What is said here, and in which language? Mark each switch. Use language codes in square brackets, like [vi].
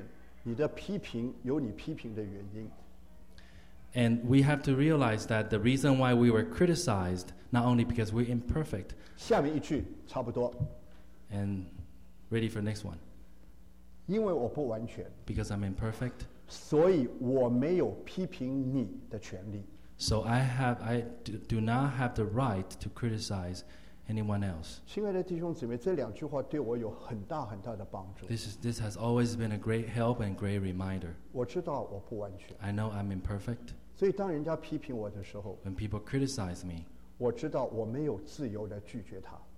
[zh] 对不对？我应该鼓掌，是吧？因为我不完全，所以我没有不被批评的自由。不能说你不可以批评我，但因为我不完全，你的批评有你批评的原因。 [en] And we have to realize that the reason why we were criticized, not only because we're imperfect. [zh] 下面一句，差不多。 [en] And ready for next one. [zh] 因为我不完全, [en] because I'm imperfect, [zh] 所以我没有批评你的权利, [en] so I do not have the right to criticize anyone else. [zh] 亲爱的弟兄姊妹, 这两句话对我有很大很大的帮助。 [en] This has always been a great help and great reminder. [zh] 我知道我不完全, [en] I know I'm imperfect. [zh] 所以当人家批评我的时候, [en] when people criticize me, [zh] 我知道我没有自由来拒绝他,